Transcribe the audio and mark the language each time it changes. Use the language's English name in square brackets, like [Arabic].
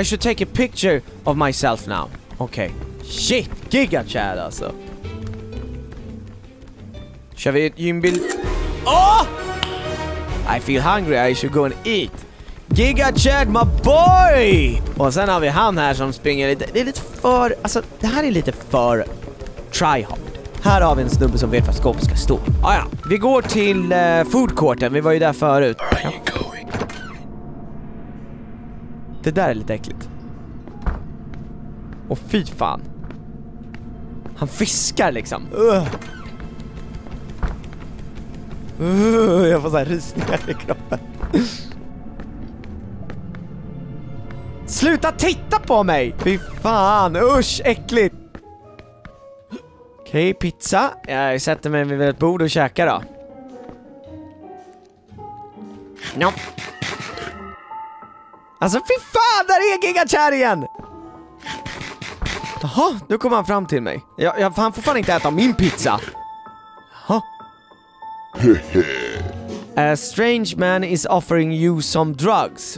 [English] I should take a picture of myself now. Okay. Shit! GIGA CHAD [Swedish] alltså. Kör vi ett gymbild? Oh! [English] I feel hungry, I should go and eat. GIGA CHAD, my boy! [Swedish] Och sen har vi han här som springer lite. Det är lite för, alltså det här är lite för try hard. Här har vi en snubbe som vet var skåpet ska stå. Ah, ja. Vi går till foodcourten, vi var ju där förut. Ja. Det där är lite äckligt. Och fy fan. Han fiskar liksom. Jag får så här rysningar i kroppen. Sluta titta på mig. Fy fan, usch, äckligt. Okej, okay, pizza. Jag sätter mig vid ett bord och käkar då. [English] Nope. [Swedish] Alltså fy fan, där är GIGA CHAD igen. Jaha, nu kommer han fram till mig. Jag han får fan inte äta min pizza. Jaha. [English] A strange man is offering you some drugs.